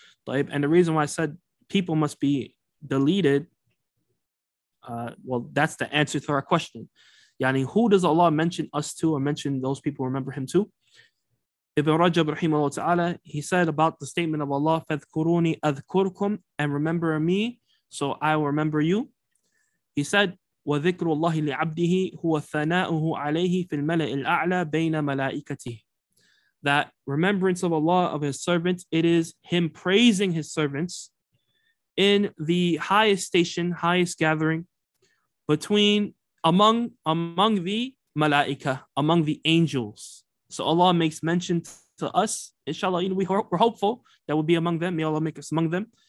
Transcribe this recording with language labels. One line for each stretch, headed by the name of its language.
English: And the reason why I said people must be deleted, well, that's the answer to our question. Yani, who does Allah mention us to, or mention those people remember him to? Ibn Rajab rahimahullah ta'ala, he said about the statement of Allah,
Arabic: فَذْكُرُونِ أَذْكُرْكُمْ,
English: and remember me, so I will remember you. He said,
Arabic: وَذِكْرُ اللَّهِ لِعَبْدِهِ هُوَ ثَنَاؤُهُ عَلَيْهِ فِي الْمَلَئِ الْأَعْلَى بَيْنَ مَلَائِكَتِهِ.
English: That remembrance of Allah, of his servant, it is him praising his servants in the highest station, highest gathering, between, among the malaika, among the angels. So Allah makes mention to us, inshallah, you know, we're hopeful that we'll be among them. May Allah make us among them.